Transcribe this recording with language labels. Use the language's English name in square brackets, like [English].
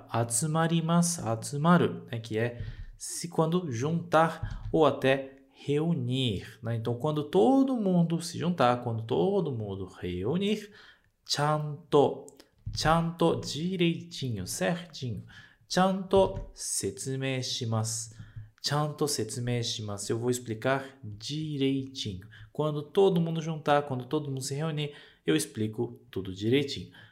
[Japanese] 全員集まったら集まります、集まる, né? [Portuguese] Que é se quando juntar ou até reunir, né? Então, quando todo mundo se juntar, quando todo mundo reunir, ちゃんと, direitinho, certinho. [Japanese] ちゃんと説明します。ちゃんと説明します。 [Portuguese] Eu vou explicar direitinho. Quando todo mundo juntar, quando todo mundo se reunir, eu explico tudo direitinho.